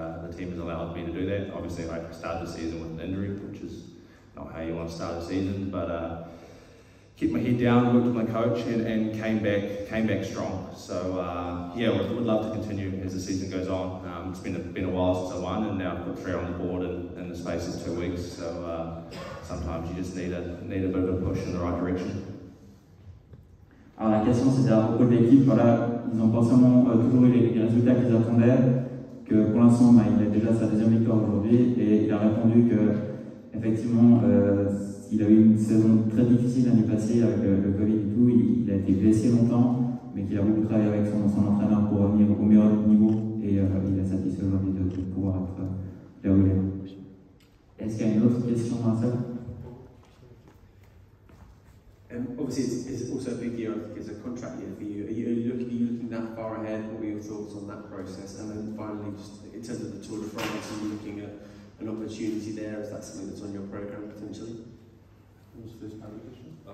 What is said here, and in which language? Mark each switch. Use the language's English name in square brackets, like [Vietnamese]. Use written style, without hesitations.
[English] The team has allowed me to do that. Obviously, I started the season with an injury, which is not how you want to start a season, but kept my head down, worked with my coach, and came back strong. So would love to continue as the season goes on. It's been a while since I won, and now I've put 3 on the board in the space of 2 weeks, so sometimes you just need a bit of a push in the right direction. [French] Alors, la question c'était à propos de l'équipe. Voilà, ils ont pas forcément toujours eu les résultats qu'ils attendaient. Que pour l'instant, il a déjà sa deuxième victoire aujourd'hui et il a répondu qu'effectivement, il a eu une saison très difficile l'année passée avec le Covid et tout. Il a été blessé longtemps, mais qu'il a beaucoup travaillé avec son entraîneur pour revenir au meilleur niveau et il est satisfait aujourd'hui de pouvoir être là où il est. Est-ce qu'il y a une autre question dans la salle? [English] Obviously, it's also a big year. I think it's a contract year for you. Are you looking that far ahead? What were your thoughts on that process? And then finally, just in terms of the Tour de France, are you looking at an opportunity there? Is that something that's on your program potentially? What was the first part of the question?